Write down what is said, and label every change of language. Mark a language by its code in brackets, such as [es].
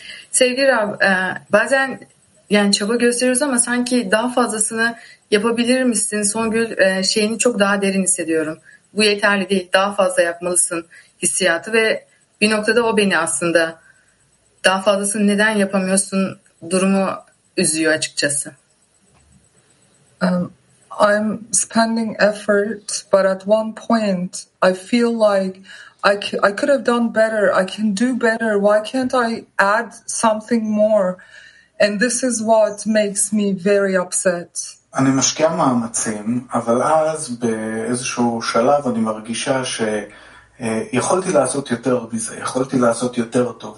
[tr] Sevgili Rab, bazen yani çaba gösteriyoruz ama sanki daha fazlasını yapabilir misin? Songül şeyini çok daha derin hissediyorum. Bu yeterli değil, daha fazla yapmalısın hissiyatı ve bir noktada o beni aslında daha fazlasını neden yapamıyorsun durumu üzüyor açıkçası. [en] I'm spending effort, but at one point I feel like I could have done better. I can do better. Why can't I add something more? And this is what makes me very upset. [he] אני משקיע מאמצים, אבל אז באיזשהו שלב אני מרגישה שיכולתי לעשות יותר מזה, יכולתי לעשות יותר טוב.